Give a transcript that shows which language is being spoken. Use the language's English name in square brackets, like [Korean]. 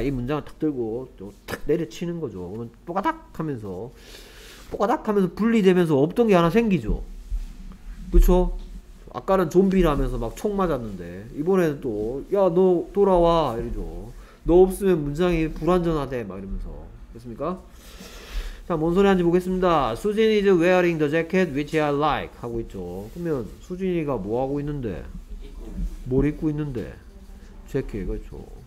[Korean] 이 문장을 탁 들고, 또탁 내려치는 거죠. 그러면 뽀가닥 하면서 분리되면서 없던 게 하나 생기죠. 그쵸? 아까는 좀비라면서 막총 맞았는데, 이번에는 또, 야, 너 돌아와. 이러죠. 너 없으면 문장이 불완전하대 막 이러면서 됐습니까? 자, 뭔 소리 하는지 보겠습니다. [English] Susan is wearing the jacket which I like [Korean] 하고 있죠. 그러면 수진이가 뭐 하고 있는데? 뭘 입고 있는데? 재킷 그렇죠.